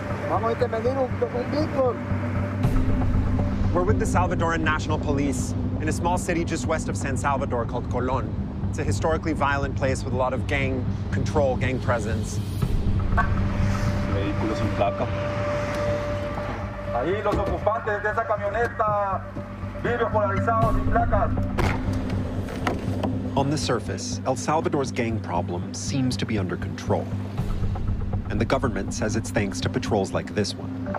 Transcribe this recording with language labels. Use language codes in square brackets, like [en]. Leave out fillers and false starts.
[es] Vamos a intervenir un poquito. [en] We're with the Salvadoran National Police in a small city just west of San Salvador called Colón. It's a historically violent place with a lot of gang control, gang presence. [es] Ahí los ocupantes de esa camioneta, vidrios polarizados sin placas. [en] On the surface, El Salvador's gang problem seems to be under control. And the government says it's thanks to patrols like this one.